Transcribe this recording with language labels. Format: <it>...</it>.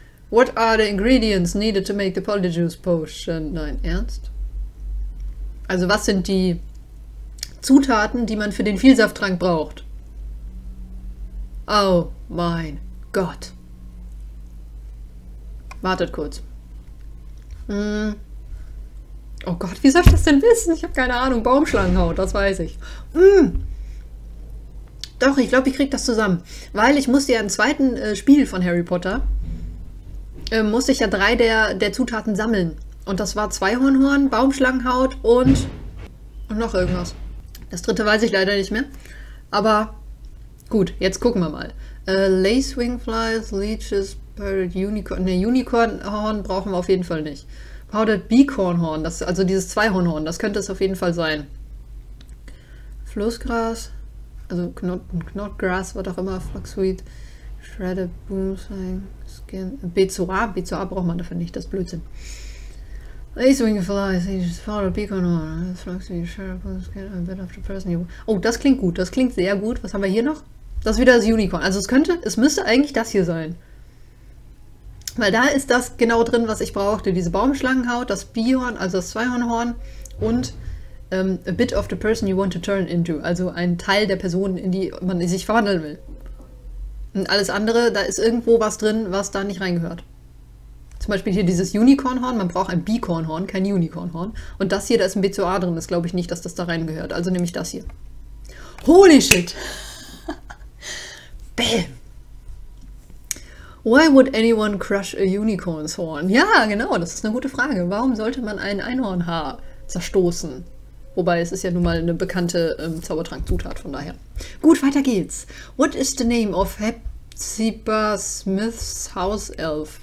<en>What are the ingredients needed to make the Polyjuice Potion?</en> <de>Nein, ernst? Also was sind die Zutaten, die man für den Vielsafttrank braucht? Oh mein Gott. Wartet kurz. Oh Gott, wie soll ich das denn wissen? Ich habe keine Ahnung. Baumschlangenhaut, das weiß ich. Doch, ich glaube, ich krieg das zusammen. Weil ich musste ja im zweiten Spiel von Harry Potter, musste ich ja drei der Zutaten sammeln. Und das war Zweihornhorn, Baumschlangenhaut und noch irgendwas. Das dritte weiß ich leider nicht mehr. Aber gut, jetzt gucken wir mal. Lacewingflies, Leeches. Unicorn, ne, Unicornhorn brauchen wir auf jeden Fall nicht. Powdered Bighornhorn, das, also dieses Zweihornhorn, das könnte es auf jeden Fall sein. Flussgras, also Knotgras, was auch immer, Flaxweed, Shredded Boomslang, Skin, Bezoar braucht man dafür nicht, das ist Blödsinn.</de> <en>Acewing Flies, Powdered Bighornhorn, Flaxweed, Shredded Boomslang, a bit of the person you.</en> <de>Oh, das klingt gut, das klingt sehr gut. Was haben wir hier noch? Das ist wieder das Unicorn. Also es müsste eigentlich das hier sein. Weil da ist das genau drin, was ich brauchte. Diese Baumschlangenhaut, das Bihorn, also das Zweihornhorn und</de> <en>a bit of the person you want to turn into.</en> <de>Also ein Teil der Person, in die man sich verwandeln will. Und alles andere, da ist irgendwo was drin, was da nicht reingehört. Zum Beispiel hier dieses Unicornhorn. Man braucht ein Bighornhorn, kein Unicornhorn. Und das hier, da ist ein Bezoar drin. Das glaube ich nicht, dass das da reingehört. Also nehme ich das hier.</de> <en>Holy shit!</en> <de>Bäm!</de> <en>Why would anyone crush a unicorn's horn?</en> <de>Ja, genau, das ist eine gute Frage. Warum sollte man ein Einhornhaar zerstoßen? Wobei es ist ja nun mal eine bekannte Zaubertrankzutat, von daher. Gut, weiter geht's.</de> <en>What is the name of Hepzibah Smiths House Elf?</en>